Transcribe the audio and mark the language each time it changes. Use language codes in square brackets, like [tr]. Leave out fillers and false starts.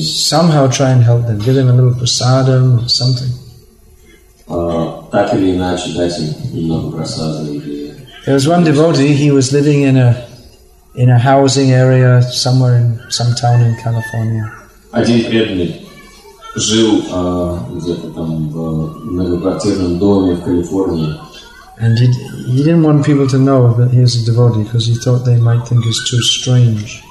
[en] Somehow try and help them. Give them a little prasadam or something. [ru] Так или иначе, дайте немного прасады или... [en] There was one devotee, he was living in a housing area somewhere in some town in California. [ru] Один преданный жил где-то там в многоквартирном доме в Калифорнии. [en] And he didn't want people to know that he was a devotee because he thought they might think he's too strange.